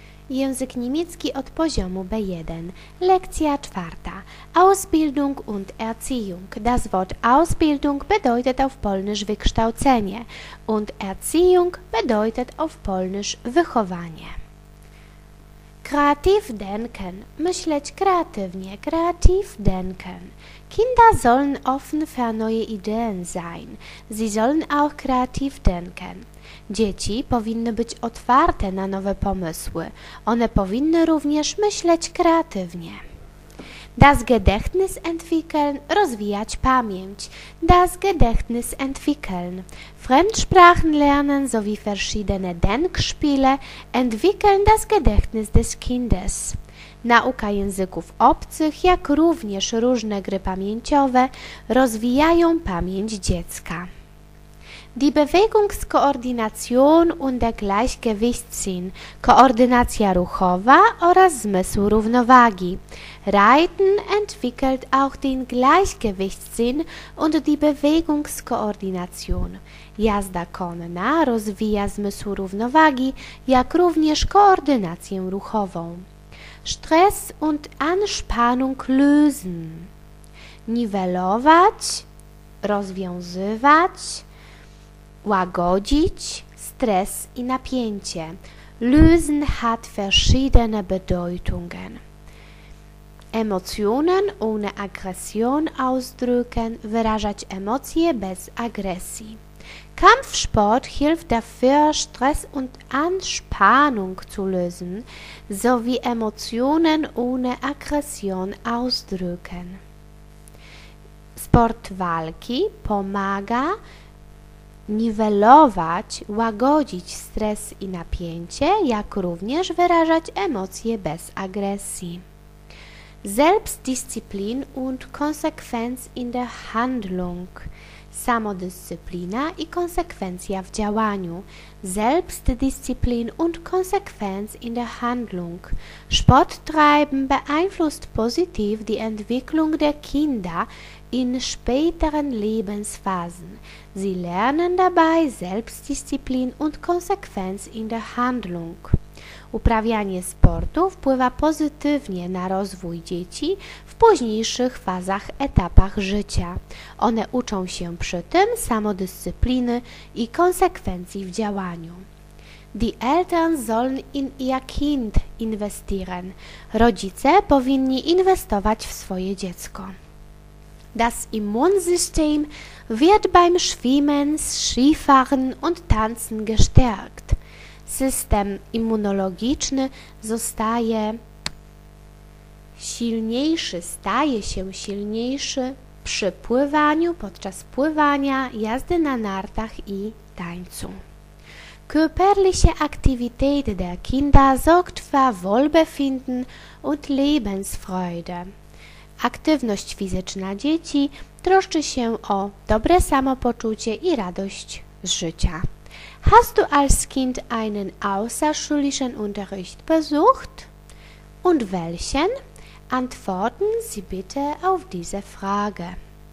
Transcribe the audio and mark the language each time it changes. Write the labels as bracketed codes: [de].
[pl] Język niemiecki od poziomu B1. Lekcja czwarta. [de] Ausbildung und Erziehung. Das Wort Ausbildung bedeutet auf Polnisch wykształcenie. Und Erziehung bedeutet auf Polnisch wychowanie. Kreativ denken. [pl] Myśleć kreatywnie. [de] Kreativ denken. Kinder sollen offen für neue Ideen sein. Sie sollen auch kreativ denken. [pl] Dzieci powinny być otwarte na nowe pomysły. One powinny również myśleć kreatywnie. [de] Das Gedächtnis entwickeln, [pl] rozwijać pamięć. [de] Das Gedächtnis entwickeln. Fremdsprachen lernen sowie verschiedene Denkspiele entwickeln das Gedächtnis des Kindes. [pl] Nauka języków obcych, jak również różne gry pamięciowe, rozwijają pamięć dziecka. [de] Die Bewegungskoordination und der Gleichgewichtssinn. [pl] Koordynacja ruchowa oraz zmysł równowagi. [de] Reiten entwickelt auch den Gleichgewichtssinn und die Bewegungskoordination. [pl] Jazda konna rozwija zmysł równowagi, jak również koordynację ruchową. [de] Stress und Anspannung lösen. [pl] Niwelować, rozwiązywać. Łagodzić, stres i napięcie. [de] Lösen hat verschiedene Bedeutungen. Emotionen ohne Aggression ausdrücken. [pl] Wyrażać emocje bez agresji. [de] Kampfsport hilft dafür, Stress und Anspannung zu lösen, sowie Emotionen ohne Aggression ausdrücken. [pl] Sport walki pomaga niwelować, łagodzić stres i napięcie, jak również wyrażać emocje bez agresji. [de] Selbstdisziplin und Konsequenz in der Handlung. [pl] Samodyscyplina i konsekwencja w działaniu. [de] Selbstdisziplin und Konsequenz in der Handlung. Sport treiben beeinflusst positiv die Entwicklung der Kinder in späteren Lebensphasen. Sie lernen dabei Selbstdisziplin und Konsequenz in der Handlung. [pl] Uprawianie sportu wpływa pozytywnie na rozwój dzieci w późniejszych fazach, etapach życia. One uczą się przy tym samodyscypliny i konsekwencji w działaniu. [de] Die Eltern sollen in ihr Kind investieren. [pl] Rodzice powinni inwestować w swoje dziecko. [de] Das Immunsystem wird beim Schwimmen, Skifahren und Tanzen gestärkt. [pl] System immunologiczny zostaje silniejszy, staje się silniejszy przy pływaniu, podczas pływania, jazdy na nartach i tańcu. [de] Körperliche Aktivität der Kinder sorgt für Wohlbefinden und Lebensfreude. [pl] Aktywność fizyczna dzieci troszczy się o dobre samopoczucie i radość z życia. [de] Hast du als Kind einen außerschulischen Unterricht besucht? Und welchen? Antworten Sie bitte auf diese Frage.